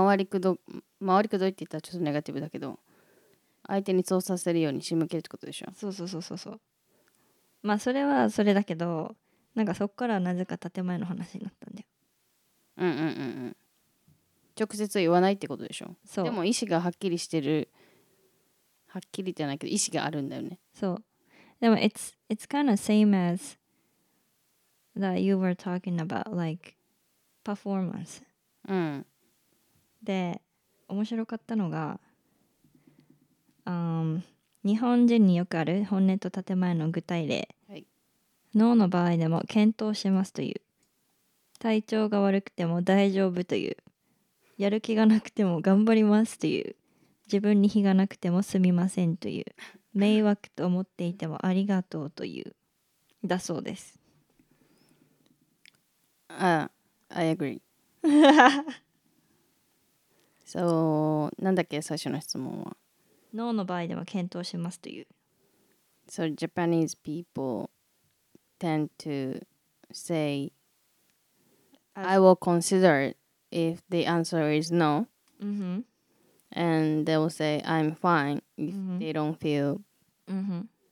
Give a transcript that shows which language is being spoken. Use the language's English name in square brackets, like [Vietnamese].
[Japanese] 周りくどいって言ったらちょっとネガティブだけど相手にそうさせるように仕向けるってことでしょそうそうそうそうそうまあそれはそれだけどなんかそっからなぜか建前の話になったんだようんうんうんうん直接言わないってことでしょそうでも意思がはっきりしてるはっきりじゃないけど意思があるんだよねそうでも [English] It's kind of same asthat you were talking about like performance [Japanese] うんで面白かったのが日本人によくある本音と建前の具体例、はい、脳の場合でも検討してますという、体調が悪くても大丈夫という、やる気がなくても頑張りますという、自分に非がなくてもすみませんという、迷惑と思っていてもありがとうというだそうです。 [English] I agree. [Japanese] So, なんだっけ最初の質問は。脳の場合でも検討しますという。 [English] So, Japanese people tend to say, I will consider if the answer is no.、 Mm-hmm. And they will say, I'm fine if、mm-hmm. they don't feel、 mm-hmm.